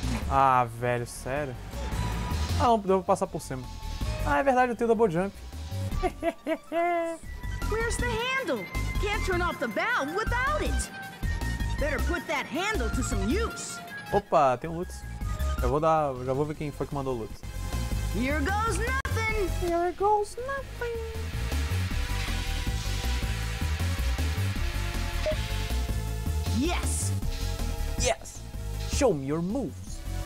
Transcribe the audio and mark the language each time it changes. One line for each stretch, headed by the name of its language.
Portuguese: Ah, velho, sério? Ah, não, devo passar por cima. Ah, é verdade, eu tenho double jump.
English: Where's the handle? Can't turn off the bell without it. Better put that handle to some use.
Portuguese: Opa, tem um loot. Já vou ver quem foi que mandou o loot.
English: Here goes nothing. Here goes nothing. Yes. Yes. Show me your moves.